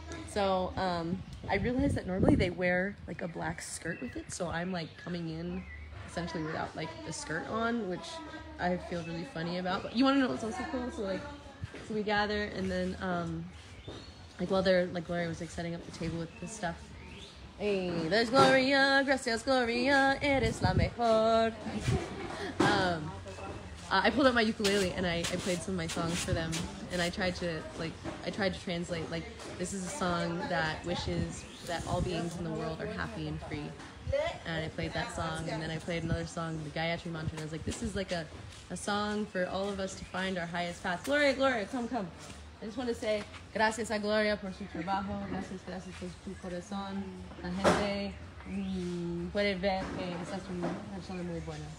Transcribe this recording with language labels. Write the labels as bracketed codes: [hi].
[en] So I realize that normally they wear like a black skirt with it. So I'm like coming in essentially without like a skirt on, which I feel really funny about. But you want to know what's also cool? So we gather and then Gloria was like setting up the table with the stuff. Hey, there's [es] Gloria, gracias Gloria, eres la mejor. [en] I pulled out my ukulele and I played some of my songs for them. And I tried to translate, like, this is a song that wishes that all beings in the world are happy and free. And I played that song, and then I played another song, the Gayatri Mantra, and I was like, this is like a song for all of us to find our highest path. Gloria, Gloria, come. I just want to say [es] gracias a Gloria por su trabajo, gracias por su corazón, la gente puede ver que estás una persona muy buena.